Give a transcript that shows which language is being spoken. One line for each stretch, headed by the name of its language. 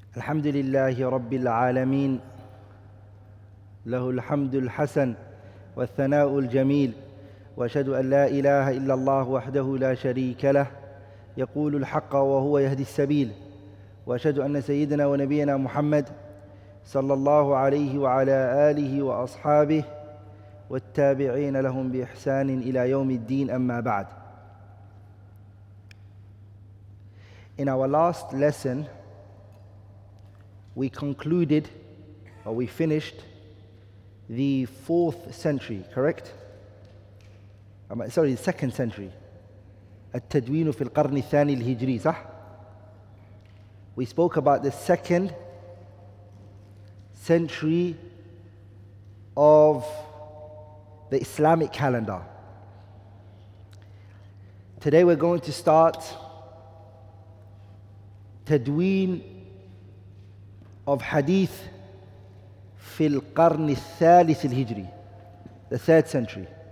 Arabic: الحمد لله رب العالمين له الحمد الحسن والثناء الجميل وأشهد أن لا إله إلا الله وحده لا شريك له يقول الحق وهو يهدي السبيل وأشهد أن سيدنا ونبينا محمد صلى الله عليه وعلى آله وأصحابه والتابعين لهم بإحسان إلى يوم الدين أما بعد.
English: In our last lesson, we concluded, or we finished, the fourth century, correct? The second century.
Arabic: التدوين في القرن الثاني الهجري, صح?
English: We spoke about the second century of the Islamic calendar. Today we're going to start تدوين of hadith
Arabic: في القرن الثالث الهجري,
English: the third century.